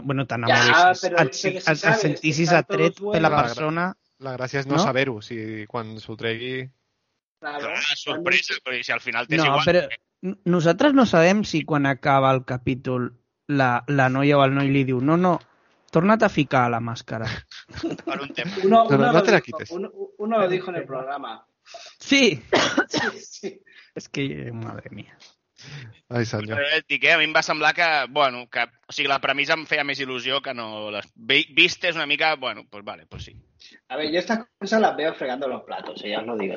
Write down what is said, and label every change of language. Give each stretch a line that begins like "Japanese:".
Catalan: Bueno, t'enamoressis, et sentissis atret per la persona. La gràcia és no saber-ho, si quan s'ho tregui... Sorpresa, però si al final t'és no, igual. Però nosaltres no sabem si quan acaba el capítol la noia o el noi li diu no, torna't a ficar la màscara. Per un temps.
Spanish: Uno lo dijo en el programa.
Catalan: Sí. És que,
Spanish: madre mía.
Catalan: Ai, senyor. A mi em va semblar que, bueno, que, o sigui, la premissa em feia més il·lusió que no les vistes una mica, bueno, pues vale, pues sí.
Spanish: A ver, yo estas cosas las veo fregando los platos, ya os lo digo.